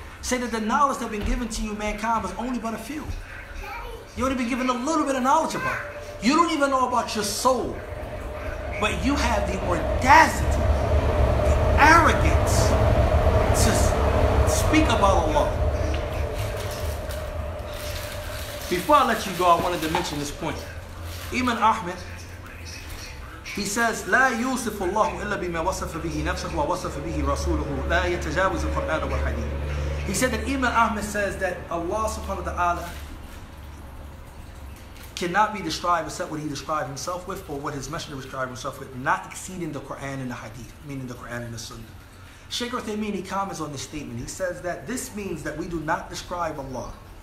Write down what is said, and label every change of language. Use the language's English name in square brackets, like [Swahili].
[English] Say that the knowledge that's been given to you, mankind, was only but a few. You only been given a little bit of knowledge about it. You don't even know about your soul. But you have the audacity, the arrogance to speak about Allah. Before I let you go, I wanted to mention this point. [Arabic] Imam Ahmed, [English] he says, [Arabic] لا يوصف الله إلا بما وصف به نفسه ووصف به رسوله لا يتجاوز القرآن والحديث. [English] He said that Imam Ahmed says that Allah subhanahu wa ta'ala cannot be described except what he described himself with or what his messenger described himself with, not exceeding the Quran and the Hadith, meaning the Quran and the Sunnah. Sheikh Uthaymeen, he comments on this statement. He says that this means that we do not describe Allah.